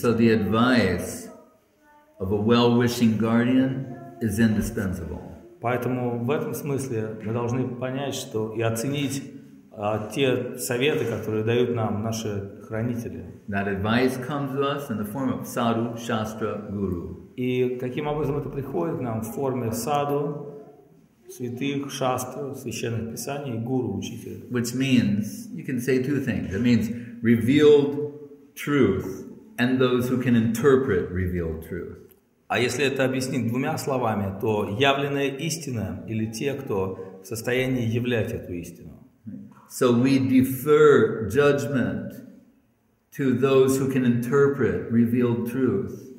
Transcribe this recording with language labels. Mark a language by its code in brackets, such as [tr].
[en] So the advice of a well-wishing guardian is indispensable. [ru] Поэтому в этом смысле мы должны понять, что и оценить те советы, которые дают нам наши хранители. [en] That advice comes to us in the form of sadhu, shastra, guru. [ru] И каким образом это приходит к нам в форме саду, святых, шастр, священных писаний, гуру, учителя. [en] Which means, you can say two things. It means revealed truth and those who can interpret revealed truth. [ru] А если это объяснить двумя словами, то явленная истина или те, кто в состоянии являть эту истину. [en] So we defer judgment to those who can interpret revealed truth.